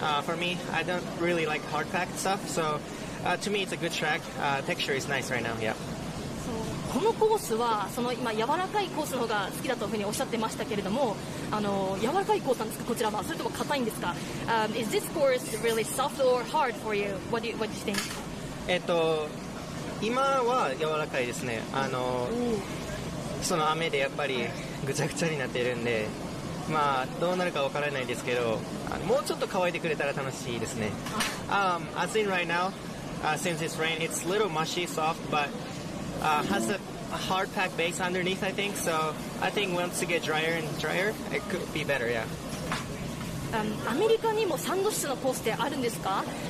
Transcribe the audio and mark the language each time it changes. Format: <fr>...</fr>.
<en>For me, I don't really like hard packed stuff. So, to me, it's a good track. Texture is nice right now. Yeah.</en> <ja>So, このコースはその今柔らかいコースの方が好きだというふうにおっしゃってましたけれども、柔らかいコースなんですかこちらは、それとも硬いんですか。</ja> <en>Is this course really soft or hard for you? What do you think?</en> <ja>今は柔らかいですね。その雨でやっぱりぐちゃぐちゃになっているんで。まあ、どうなるか分からないですけど、もうちょっと乾いてくれたら楽しいですね。</ja> <en>As in right now, since it's rain, it's a little mushy, soft, but has a hard pack base underneath, I think. So I think once it gets drier and drier, it could be better, yeah.</en> <ja>アメリカにもサンド質のコースってあるんですか？</ja>